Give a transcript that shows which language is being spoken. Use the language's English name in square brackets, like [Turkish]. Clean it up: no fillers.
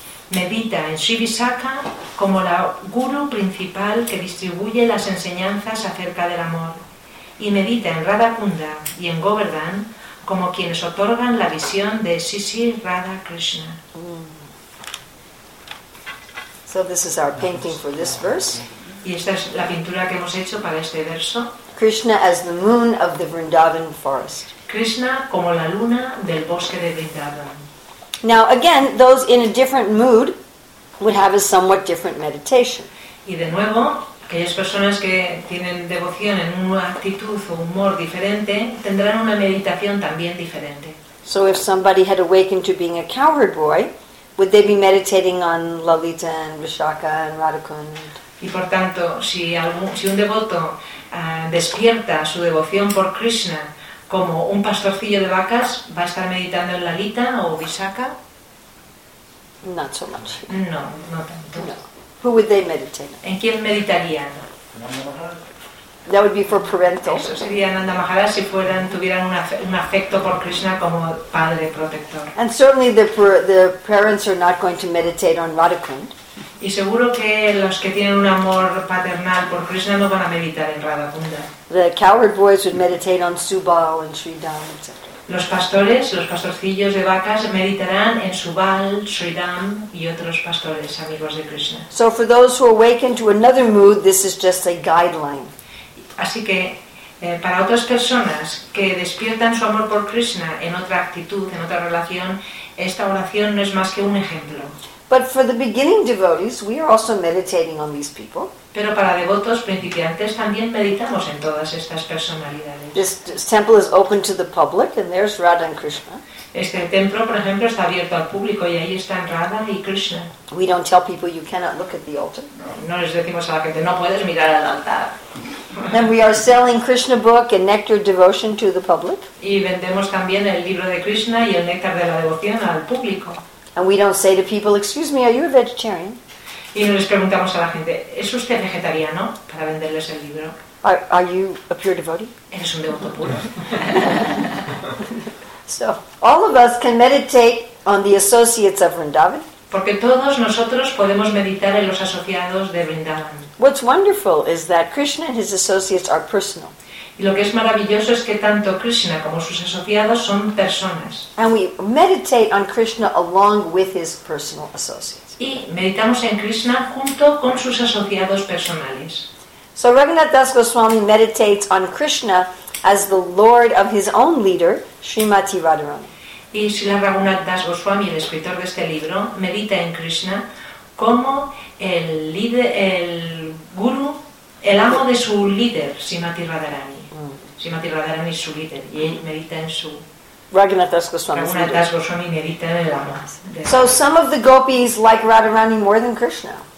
[Spanish] Medita en Sri Visakha como la guru principal que distribuye las enseñanzas acerca del amor. Y medita en Radhakunda y en Govardhan como quienes otorgan la visión de Sri Sri Radha Krishna. [English] So this is our painting for this verse. [Spanish] Y esta es la pintura que hemos hecho para este verso. [English] Krishna as the moon of the Vrindavan forest. [Spanish] Krishna como la luna del bosque de Vrindavan. [English] Now again, those in a different mood would have a somewhat different meditation. [Spanish] Y de nuevo, aquellas personas que tienen devoción en una actitud o humor diferente tendrán una meditación también diferente. [English] So if somebody had awakened to being a cowherd boy, would they be meditating on Lalita and Vishakha and Radhakund? [Spanish] Y por tanto, si un devoto despierta su devoción por Krishna como un pastorcillo de vacas, ¿va a estar meditando en Lalita o Vishakha? [English] Not so much. [Spanish] No, no tanto. [English] No. Who would they meditate? [Spanish] ¿En quién meditarían? [English] Nanda Maharaj. That would be for parental. [Spanish] Eso sería Nanda Maharaj si tuvieran un afecto por Krishna como padre protector. [English] And certainly the parents are not going to meditate on Radhakund. [Spanish] Y seguro que los que tienen un amor paternal por Krishna no van a meditar en Radhakunda. [English] The coward boys would meditate on Subal and Sridham, etc. [Spanish] Los pastores, los pastorcillos de vacas, meditarán en Subal, Sridham y otros pastores amigos de Krishna. [English] So for those who awaken to another mood, this is just a guideline. [Spanish] Así que para otras personas que despiertan su amor por Krishna en otra actitud, en otra relación, esta oración no es más que un ejemplo. [English] But for the beginning devotees, we are also meditating on these people. [Spanish] Pero para devotos principiantes también meditamos en todas estas personalidades. [English] This temple is open to the public, and there's Radha and Krishna. [Spanish] Este templo, por ejemplo, está abierto al público y ahí están Radha y Krishna. [English] We don't tell people you cannot look at the altar. [Spanish] No les decimos a la gente no puedes mirar al altar. [English] And we are selling Krishna book and nectar devotion to the public. [Spanish] Y vendemos también el libro de Krishna y el néctar de la devoción al público. [English] And we don't say to people, excuse me, are you a vegetarian? [Spanish] Y no les preguntamos a la gente, ¿es usted vegetariano? Para venderles el libro. [English] Are you a pure devotee? [Spanish] Eres un devoto puro. [English] So, all of us can meditate on the associates of Vrindavan. [Spanish] Porque todos nosotros podemos meditar en los asociados de Vrindavan. [English] What's wonderful is that Krishna and his associates are personal. [Spanish] Y lo que es maravilloso es que tanto Krishna como sus asociados son personas. [English] And we meditate on Krishna along with his personal associates. [Spanish] Y meditamos en Krishna junto con sus asociados personales. [English] So Raghunath Das Goswami meditates on Krishna as the Lord of his own leader, Srimati Radharani. [Spanish] Y Srila Raghunath Das Goswami, el escritor de este libro, medita en Krishna como el líder, el guru, el amo de su líder, Srimati Radharani. Srimati Radharani es su líder y él medita en su... [English] Raghunath Das Goswami. [Spanish] Raghunath Das Goswami medita en el amo. [English] So some of the gopis like Radharani more than Krishna.